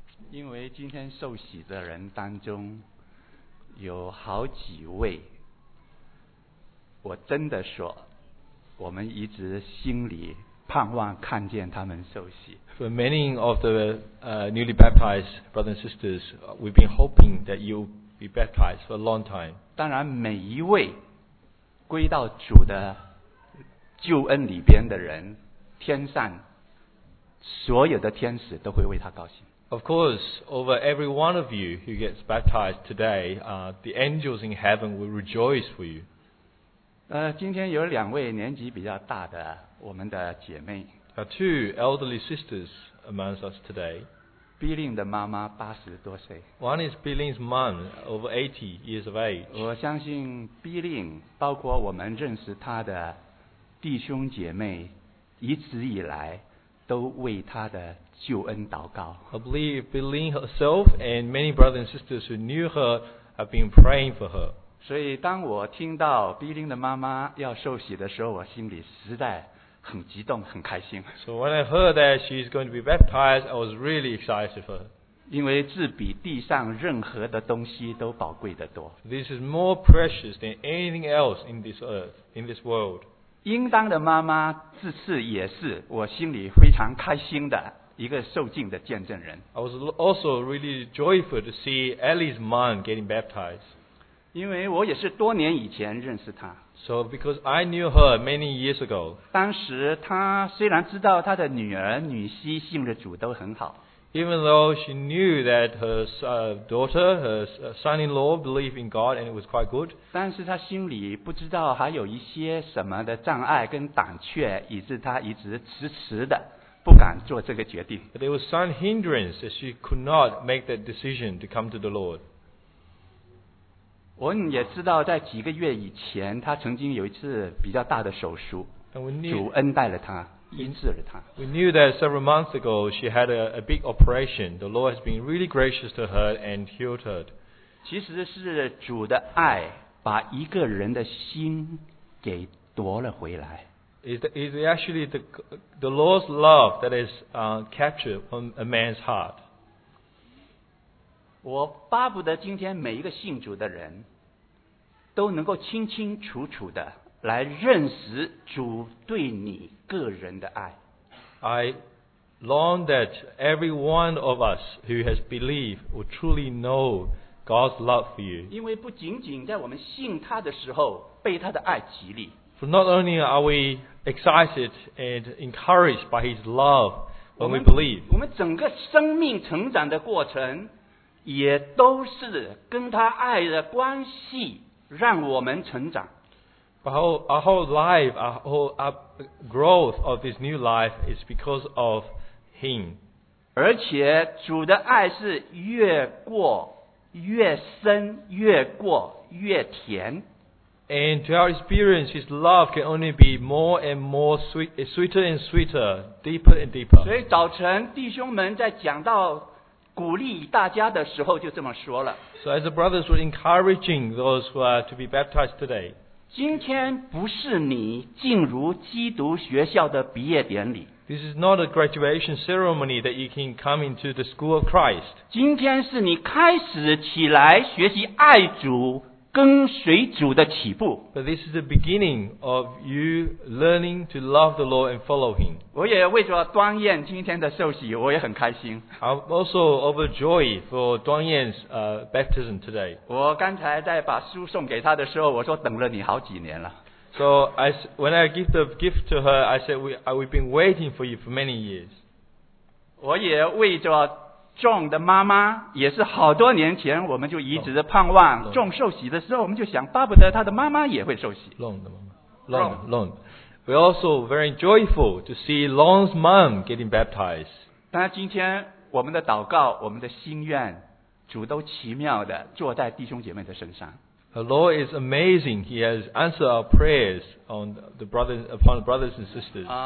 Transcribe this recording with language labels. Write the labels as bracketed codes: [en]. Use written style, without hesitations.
[zh] 因为今天受洗的人当中有好几位，我真的说，我们一直心里盼望看见他们受洗。 [en] For many of the newly baptized brothers and sisters, we've been hoping that you be baptized for a long time. [zh] 当然，每一位归到主的救恩里边的人，天上所有的天使都会为他高兴。 [en] Of course, over every one of you who gets baptized today, the angels in heaven will rejoice for you. [zh] 今天有两位年纪比较大的我们的姐妹。 [en] Two elderly sisters amongst us today. [zh] Billing 的妈妈八十多岁。 [en] One is Billing's mom, over 80 years of age. [zh] 我相信 Billing, 包括我们认识他的弟兄姐妹，一直以来都为他的救恩祷告。 [en] I believe Billing herself and many brothers and sisters who knew her have been praying for her. [zh] 所以当我听到 Billing 的妈妈要受洗的时候，我心里实在很激动，很开心。 [en] So when I heard that she's going to be baptized, I was really excited for her. [zh] 因为这比地上任何的东西都宝贵得多。 [en] This is more precious than anything else in this earth, in this world. [zh] 应当的妈妈这次也是我心里非常开心的一个受浸的见证人。 [en] I was also really joyful to see Ellie's mom getting baptized. [zh] 因为我也是多年以前认识她。 [en] So because I knew her many years ago. [zh] 当时她虽然知道她的女儿女婿信了主都很好。 [en] Even though she knew that her daughter, her son-in-law believed in God and it was quite good. [zh] 但是她心里不知道还有一些什么的障碍跟胆怯，以致她一直迟迟的不敢做这个决定。 [en] But there was some hindrance that she could not make that decision to come to the Lord. [zh] 我也知道在几个月以前他曾经有一次比较大的手术，主恩待了他，医治了他。 [en] We knew that several months ago she had a big operation. The Lord has been really gracious to her and healed her. [zh] 其实是主的爱把一个人的心给夺了回来。 [en] Is it actually the Lord's love that is captured from a man's heart? [zh] 我巴不得今天每一个信主的人都能够清清楚楚的来认识主对你个人的爱。 [en] I long that every one of us who has believed will truly know God's love for you. [zh] 因为不仅仅在我们信他的时候被他的爱激励。 [en] For not only are we excited and encouraged by his love when we believe. [zh] 我们整个生命成长的过程也都是跟他爱的关系让我们成长。 [en] Our whole life, our whole growth of this new life is because of him. [zh] 而且主的爱是越过越深，越过越甜。 [en] And to our experience, his love can only be more and more sweeter and sweeter, deeper and deeper. [zh] 所以早晨弟兄们在讲到鼓励大家的时候就这么说了。 [en] So as the brothers were encouraging those who are to be baptized today. [zh] 今天不是你进入基督学校的毕业典礼。 [en] This is not a graduation ceremony that you can come into the school of Christ. [zh] 今天是你开始起来学习爱主跟随主的起步。 [en] But this is the beginning of you learning to love the Lord and follow Him. [zh] 我也为着端彦今天的受洗，我也很开心。 [en] I'm also overjoyed for 端彦's baptism today. [zh] 我刚才在把书送给他的时候，我说等了你好几年了。 [en] So when I give the gift to her, I said we've been waiting for you for many years. [zh] 我也为着John 的妈妈也是好多年前我们就一直盼望 John 受洗的时候我们就想巴不得他的妈妈也会受洗。 Long 的妈妈。Long. [en] We're also very joyful to see Long's mom getting baptized. [zh] 那今天我们的祷告我们的心愿主都奇妙的坐在弟兄姐妹的身上。 [en] The Lord is amazing. He has answered our prayers upon the brothers and sisters.